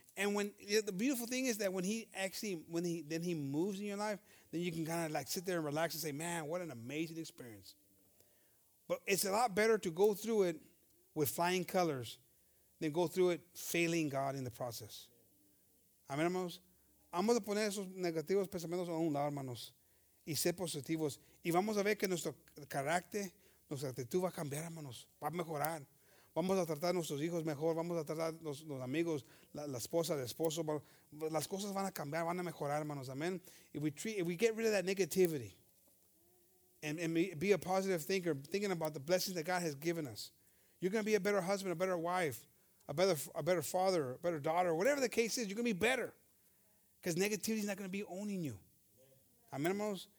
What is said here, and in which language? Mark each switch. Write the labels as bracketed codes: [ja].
[en] And when the beautiful thing is that when he moves in your life, then you can kind of like sit there and relax and say, man, what an amazing experience. But it's a lot better to go through it with flying colors than go through it failing God in the process. Amen, hermanos. [es] Vamos a poner esos negativos pensamientos a un lado, hermanos, y ser positivos. Y vamos a ver que nuestro carácter, nuestra actitud va a cambiar, hermanos, va a mejorar. Vamos a tratar a nuestros hijos mejor, vamos a tratar a los amigos, la esposa, el esposo. Las cosas van a cambiar, van a mejorar, hermanos, amén. [en] If we get rid of that negativity and be a positive thinker, thinking about the blessings that God has given us, you're going to be a better husband, a better wife, a better father, a better daughter, whatever the case is, you're going to be better. Because negativity is not going to be owning you. Amen, hermanos.